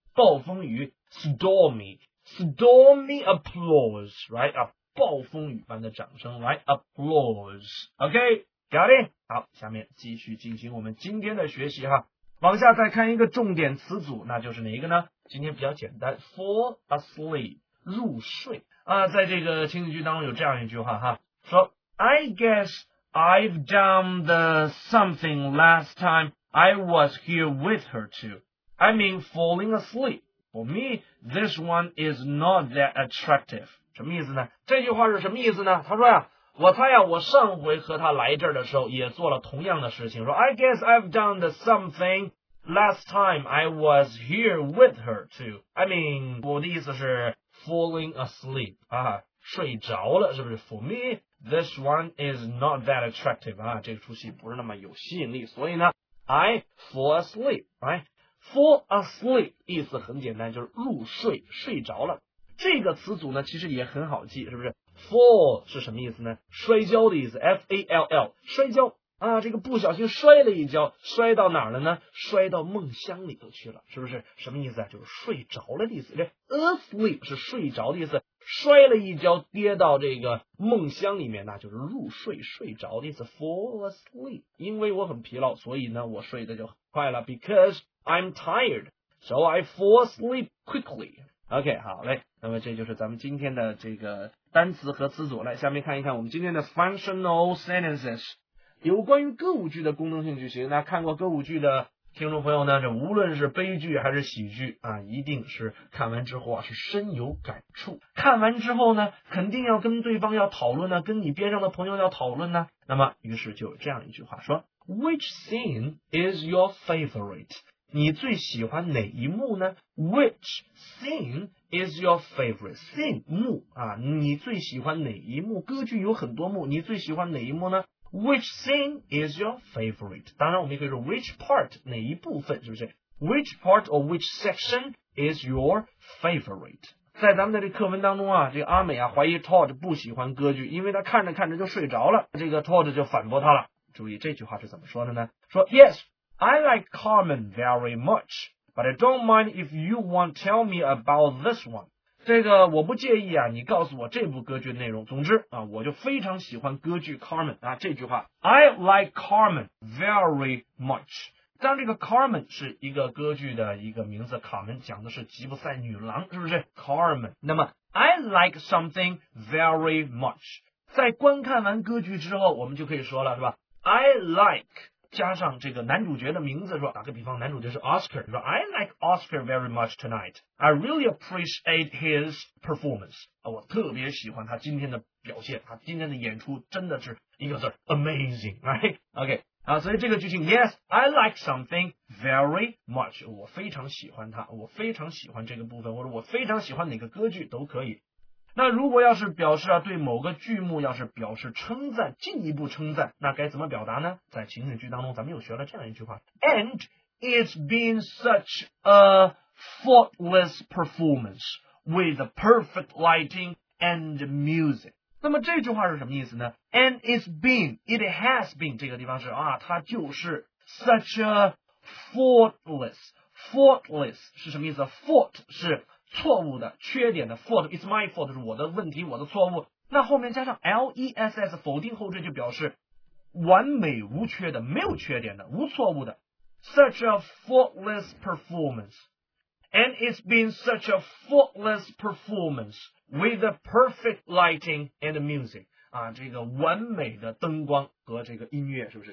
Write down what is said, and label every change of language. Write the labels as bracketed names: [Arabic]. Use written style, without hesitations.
[Chinese] 暴风雨 [English] stormy applause, right? [Chinese] 啊，暴风雨般的掌声，来 [English] applause, OK? Got it? [Chinese] 好，下面继续进行我们今天的学习哈。往下再看一个重点词组，那就是哪一个呢？今天比较简单 ，fall asleep， 入睡啊。在这个情景剧当中有这样一句话哈，说 [English] ，I guess I've done the something last time I was here with her too. I mean falling asleep. For me, this one is not that attractive. [Chinese] 什么意思呢？这句话是什么意思呢？他说呀。我猜呀，我上回和他来这儿的时候也做了同样的事情，说 [English] I guess I've done the something last time I was here with her too. I mean, [Chinese] 我的意思是 [English] falling asleep, [Chinese] 啊，睡着了，是不是 [English] ?For me, this one is not that attractive, [Chinese] 啊，这个出戏不是那么有吸引力，所以呢 [English] ,I fall asleep, right? [Chinese] Fall asleep, 意思很简单，就是入睡，睡着了。这个词组呢其实也很好记，是不是？Fall 是什么意思呢？摔跤的意思 ,F-A-L-L, 摔跤啊，这个不小心摔了一跤，摔到哪儿了呢？摔到梦乡里头去了，是不是？什么意思啊？就是睡着了的意思。这 asleep 是睡着的意思，摔了一跤跌到这个梦乡里面，那就是入睡，睡着的意思 ,fall asleep, 因为我很疲劳，所以呢我睡得就很快了 , [English] because I'm tired, so I fall asleep quickly. [Chinese] OK, 好嘞，那么这就是咱们今天的这个单词和词组，来下面看一看我们今天的 functional sentences, 有关于歌舞剧的功能性句型。那看过歌舞剧的听众朋友呢，这无论是悲剧还是喜剧啊，一定是看完之后啊是深有感触，看完之后呢肯定要跟对方要讨论呢，跟你边上的朋友要讨论呢，那么于是就有这样一句话说 [English] Which scene is your favorite? [Chinese] 你最喜欢哪一幕呢 [English] ?Which scene is your favorite? [Chinese] Scene, 幕啊，你最喜欢哪一幕？歌剧有很多幕，你最喜欢哪一幕呢 ? [English] Which scene is your favorite? [Chinese] 当然我们也可以说 [English] which part, [Chinese] 哪一部分是不是 [English] ?Which part or which section is your favorite? [Chinese] 在咱们的这课文当中啊，这个阿美啊怀疑 Todd 不喜欢歌剧，因为他看着看着就睡着了，这个 Todd 就反驳他了。注意这句话是怎么说的呢？ [English] 说 ,Yes,I like Carmen very much, but I don't mind if you want to tell me about this one. [Chinese] 这个我不介意啊，你告诉我这部歌剧的内容。总之啊，我就非常喜欢歌剧 Carmen 啊。 [English] 这句话 ，I like Carmen very much. [Chinese] 当这个 Carmen 是一个歌剧的一个名字，卡门讲的是吉普赛女郎，是不是 Carmen？ [English] 那么 I like something very much. [Chinese] 在观看完歌剧之后，我们就可以说了，是吧 ？ [English] I like. [Chinese] 加上这个男主角的名字，说打个比方，男主角是 Oscar, 说 [English] I like Oscar very much tonight. I really appreciate his performance. [Chinese] 我特别喜欢他今天的表现，他今天的演出真的是一个字 amazing, right? [English] OK, [Chinese] 啊，所以这个剧情 [English] Yes, I like something very much. [Chinese] 我非常喜欢他，我非常喜欢这个部分，或者我非常喜欢哪个歌剧都可以。那如果要是表示啊，对某个剧目要是表示称赞，进一步称赞，那该怎么表达呢？在情景剧当中，咱们又学了这样一句话 [English] ：And it's been such a faultless performance with perfect lighting and music。 [Chinese] 那么这句话是什么意思呢 ？ [English] And it's been, it has been， [Chinese] 这个地方是啊，它就是 [English] such a faultless。 [Chinese] Faultless 是什么意思 ？Fault 是错误的、缺点的。 Fault is my fault 是我的问题、我的错误。那后面加上 less 否定后缀就表示完美无缺的、没有缺点的、无错误的。 [English] Such a faultless performance, and it's been such a faultless performance with the perfect lighting and music [Chinese] 啊，这个完美的灯光和这个音乐，是不是？